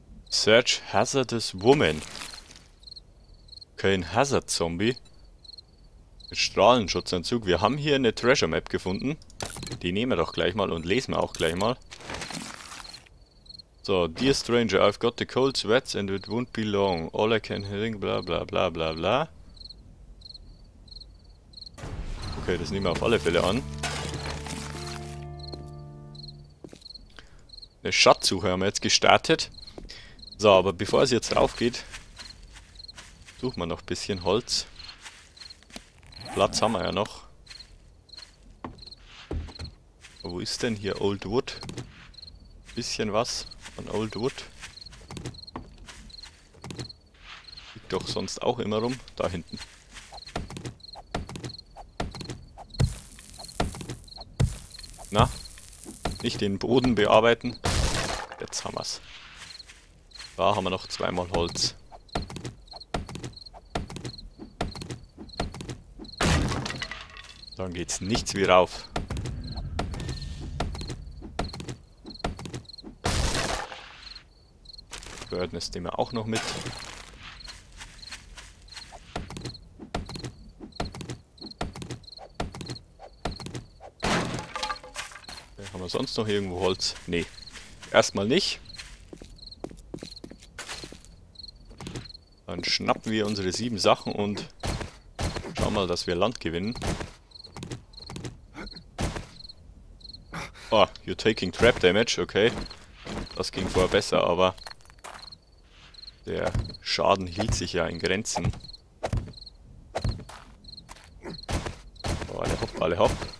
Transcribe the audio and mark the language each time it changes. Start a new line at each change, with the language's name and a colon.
English: Search Hazardous Woman.
German: Kein Hazard Zombie. Mit Strahlenschutzanzug. Wir haben hier eine Treasure Map gefunden. Die nehmen wir doch gleich mal und lesen wir auch gleich mal.
English: So, Dear Stranger, I've got the cold sweats and it won't be long. All I can hear, bla bla bla bla bla.
German: Okay, das nehmen wir auf alle Fälle an. Eine Schatzsuche haben wir jetzt gestartet. So, aber bevor es jetzt raufgeht, suchen wir noch ein bisschen Holz. Platz haben wir ja noch. Wo ist denn hier Old Wood? Bisschen was an Old Wood. Liegt doch sonst auch immer rum, da hinten. Na, nicht den Boden bearbeiten. Jetzt haben wir's. Da haben wir noch zweimal Holz. Dann geht's nichts wie rauf. Birdness nehmen wir auch noch mit. Okay, haben wir sonst noch irgendwo Holz? Nee. Erstmal nicht. Dann schnappen wir unsere sieben Sachen und schauen mal, dass wir Land gewinnen.
English: Oh, you're taking trap damage, okay.
German: Das ging vorher besser, aber der Schaden hielt sich ja in Grenzen. Oh, alle hopp, alle hopp.